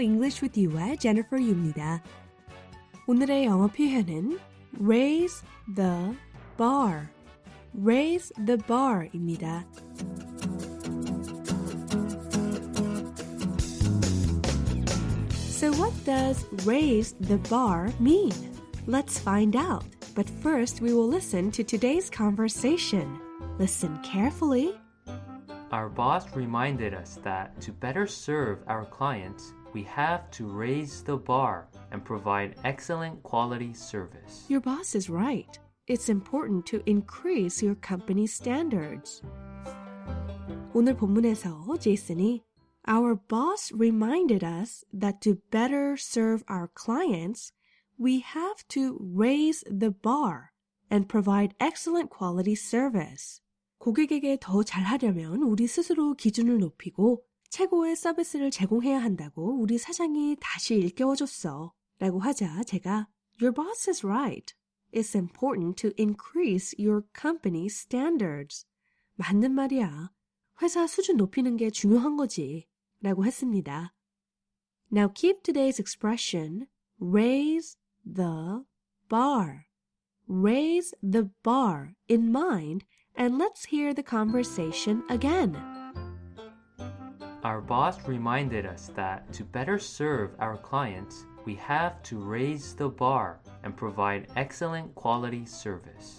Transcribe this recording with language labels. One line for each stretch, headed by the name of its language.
Korean: English with you와 Jennifer Yu입니다. 오늘의 영어 표현은
English: raise the bar. Raise the bar입니다. So what does raise the bar mean? Let's find out. But first, we will listen to today's conversation. Listen carefully. Our boss reminded us that to better serve our clients, we have to raise the bar and provide excellent quality service. Your boss is right. It's important to increase your company's standards.
Korean: 오늘 본문에서 제이슨이
English: Our boss reminded us that to better serve our clients, we have to raise the bar and provide excellent quality service.
Korean: 고객에게 더 잘하려면 우리 스스로 기준을 높이고 최고의 서비스를 제공해야 한다고 우리 사장이 다시 일깨워줬어 라고 하자 제가
English: Your boss is right. It's important to increase your company's standards.
Korean: 맞는 말이야. 회사 수준 높이는 게 중요한 거지 라고 했습니다.
English: Now keep today's expression, raise the bar. Raise the bar in mind. And let's hear the conversation again. Our boss reminded us that to better serve our clients, we have to raise the bar and provide excellent quality service.